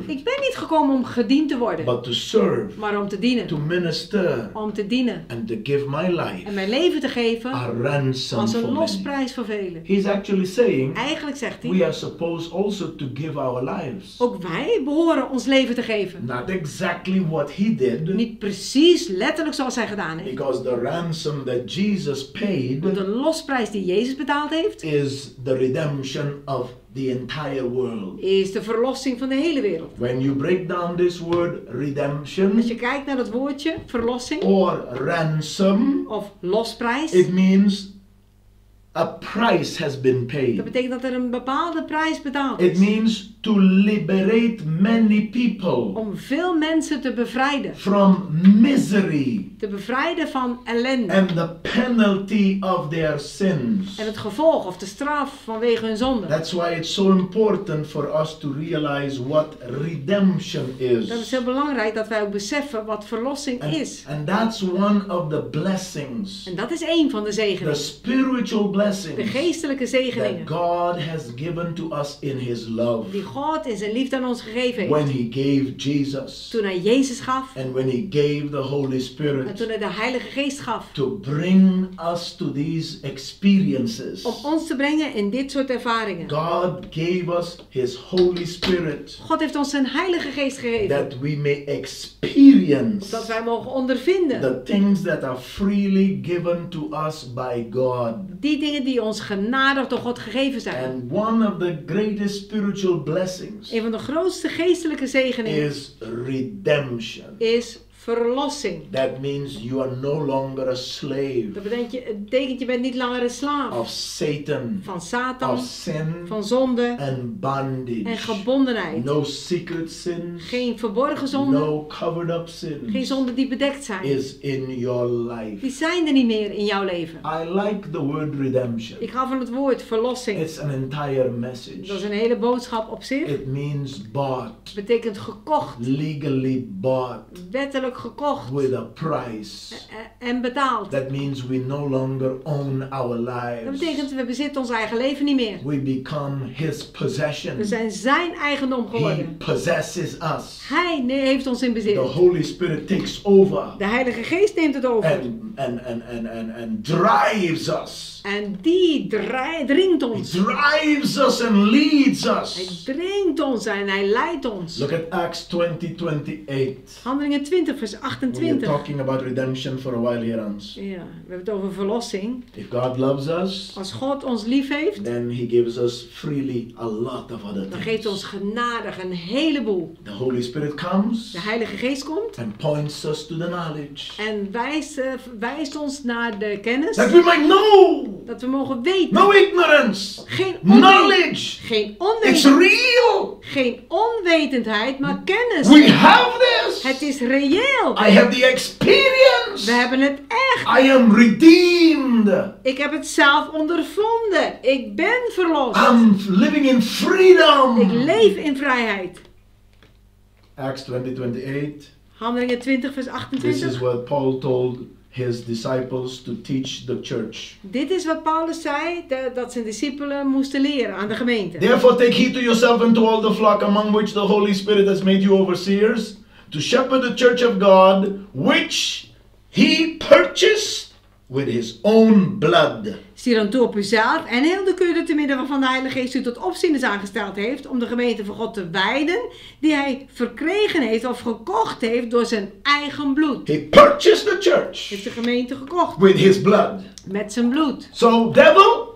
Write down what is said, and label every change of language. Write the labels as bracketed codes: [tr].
[nl] Ik ben niet gekomen om gediend te worden. [en] But to serve. [nl] Maar om te dienen. [en] To minister. [nl] Om te dienen. [en] And to give my life. [nl] En mijn leven te geven. [en] A ransom [nl] als een losprijs voor velen. [en] He's actually saying. [nl] Eigenlijk zegt hij. [en] We are supposed also to give our lives. [nl] Ook wij behoren ons leven te geven. [en] Not exactly what he did. [nl] Niet precies letterlijk zoals hij gedaan heeft. [en] Because the ransom that Jesus paid. [nl] Want de losprijs die Jezus betaald heeft. [en] Is the redemption of the entire world. [nl] Is de verlossing van de hele wereld. [en] When you break down this word redemption. [nl] Als je kijkt naar het woordje verlossing. [en] Or ransom. [nl] Of losprijs. [en] It means a price has been paid. [nl] Dat betekent dat er een bepaalde prijs betaald is. [en] It means to liberate many people. [nl] Om veel mensen te bevrijden. [en] From misery. [nl] Te bevrijden van ellende. [en] And the penalty of their sins. [nl] En het gevolg of de straf vanwege hun zonden. [en] That's why it's so important for us to realize what redemption is. [nl] Dat is heel belangrijk dat wij ook beseffen wat verlossing is. [en] And that's one of the blessings. [nl] En dat is één van de zegeningen. [en] The spiritual blessings. [nl] De geestelijke zegeningen. [en] That God has given to us in his love. [nl] Die God in zijn liefde aan ons gegeven heeft. [en] When he gave Jesus. [nl] Toen hij Jezus gaf. [en] And when he gave the Holy Spirit. [nl] En toen hij de Heilige Geest gaf. [en] To bring us to these experiences. [nl] Om ons te brengen in dit soort ervaringen. [en] God gave us his Holy Spirit. [nl] God heeft ons zijn Heilige Geest gegeven. [en] That we may experience. [nl] Dat wij mogen ondervinden. [en] The things that are freely given to us by God. [nl] Die dingen die ons genadig door God gegeven zijn. [en] And one of the greatest spiritual blessings. [nl] Een van de grootste geestelijke zegeningen. [en] Is redemption. [nl] Is verlossing. [en] That means you are no longer a slave. [nl] Dat betekent je bent niet langer een slaaf. [en] Of Satan. [nl] Van Satan. [en] Of sin. [nl] Van zonde. [en] And bondage. [nl] En gebondenheid. [en] No secret sins. [nl] Geen verborgen zonden. [en] No covered up sins. [nl] Geen zonden die bedekt zijn. [en] Is in your life. [nl] Die zijn er niet meer in jouw leven. [en] I like the word redemption. [nl] Ik hou van het woord verlossing. [en] It's an entire message. [nl] Dat is een hele boodschap op zich. [en] It means bought. [nl] Het betekent gekocht. [en] Legally bought. [nl] Wettelijk gekocht. [en] With a price. [nl] En betaald. [en] That means we no longer own our lives. [nl] Dat betekent we bezitten ons eigen leven niet meer. [en] We become his possession. [nl] We zijn zijn eigendom geworden. [en] He possesses us. [nl] Hij heeft ons in bezit. [en] The Holy Spirit takes over. [nl] De Heilige Geest neemt het over. [en] And drives us. [nl] En die dringt ons. [en] He drives us and leads us. [nl] Hij dringt ons en hij leidt ons. [en] Look at Acts 20:28. [nl] Handelingen 20 vers 28. [en] We're talking about redemption for a while here, Hans. [nl] Ja, we hebben het over verlossing. [en] If God loves us, [nl] als God ons lief heeft, [en] then he gives us freely a lot of other things. [nl] Dan geeft ons genadig een heleboel. [en] The Holy Spirit comes. [nl] De Heilige Geest komt. [en] And points us to the knowledge. [nl] En wijst ons naar de kennis. [en] That we might know. [nl] Dat we mogen weten. [en] No ignorance. [nl] Geen [en] knowledge. [nl] Geen onwetendheid. [en] It's real. [nl] Geen onwetendheid, maar kennis. [en] We have this. [nl] Het is reëel. [en] I have the experience. [nl] We hebben het echt. [en] I am redeemed. [nl] Ik heb het zelf ondervonden. Ik ben verlost. [en] I'm living in freedom. [nl] Ik leef in vrijheid. [en] Acts 20:28. [nl] Handelingen 20 vers 28. [en] This is what Paul told his disciples to teach the church. [nl] Dit is wat Paulus zei, dat zijn discipelen moesten leren aan de gemeente. [en] Therefore take heed to yourself and to all the flock among which the Holy Spirit has made you overseers, to shepherd the church of God, which he purchased with his own blood. [nl] Zie dan toe op uzelf en heel de kudde te midden waarvan de Heilige Geest u tot opzieners aangesteld heeft, om de gemeente van God te wijden, die hij verkregen heeft of gekocht heeft door zijn eigen bloed. [en] He purchased the church. [nl] Heeft de gemeente gekocht. [en] With his blood. [nl] Met zijn bloed. [en] So devil.